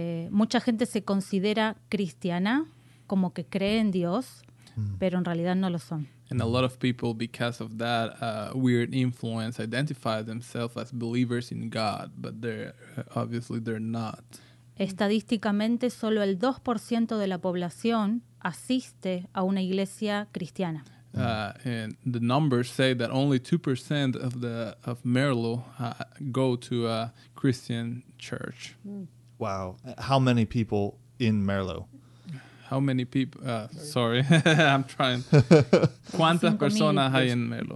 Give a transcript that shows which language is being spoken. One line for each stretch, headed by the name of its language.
Spanish: mucha gente se considera cristiana, como que cree en Dios, pero en realidad no lo son.
English: And a lot of people, because of that weird influence, identify themselves as believers in God, but they're obviously they're not.
Spanish: Estadísticamente, solo el 2% de la población asiste a una iglesia cristiana.
English: And the numbers say that only 2% of Merlo go to a Christian church. Wow. How many people in Merlo? How many people? Sorry, I'm trying.
Spanish: ¿Cuántas personas hay en Merlo?